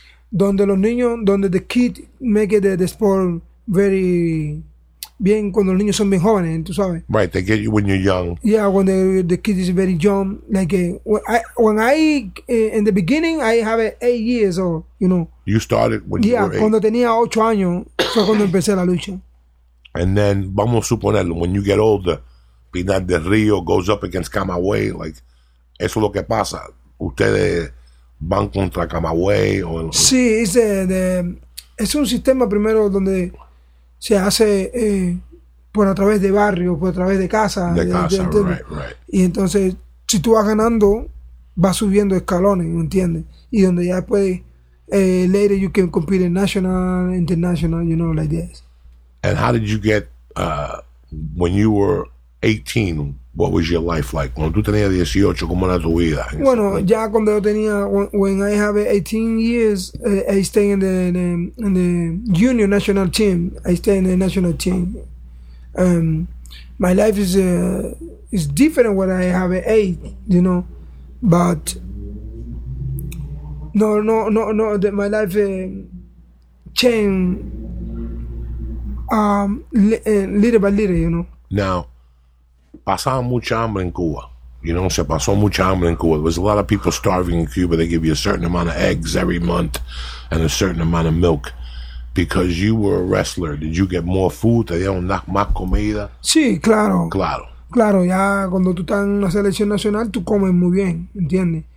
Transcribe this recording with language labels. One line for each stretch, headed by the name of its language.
Spanish: Donde los niños, donde
English: the kid make the sport very
Spanish: bien cuando los niños son bien jóvenes, tú sabes.
English: Right, they get you when you're young. Yeah, when the kid is very young. Like in the beginning, I have 8 years old, you know. You started when you were 8.
Spanish: Yeah, cuando tenía 8 años fue cuando empecé la lucha.
English: And then,
Spanish: vamos a suponerlo,
English: when you get older, Pinar del Río goes up against Camagüey, like,
Spanish: eso es lo que pasa. Ustedes van contra Camagüey o... Sí, es es un sistema primero donde se hace por a través de barrio, por a través de casa.
English: Right.
Spanish: Y entonces, si tú vas ganando, vas subiendo escalones, ¿me entiendes? Y donde ya puedes...
English: Later you can compete in national, international, you know, like this. And how did you get, when you were 18, what was your life like?
Spanish: Cuando tú tenías 18, ¿cómo era tu vida? Bueno, ya cuando yo tenía,
English: when I have 18 years, I stay in the junior national team. I stay in the national team. My life is different when I have 8, you know, but no. My life changed little by little, you know.
Spanish: Now, pasaba mucha hambre en Cuba. You know, se pasó mucha hambre en Cuba.
English: There was a lot of people starving in Cuba. They give you a certain amount of eggs every month and a certain amount of milk. Because you were a wrestler, did you get more food?
Spanish: ¿Te dieron más comida? Sí, claro. Claro. Claro, ya cuando tú estás en la selección nacional, tú comes muy bien, ¿entiendes?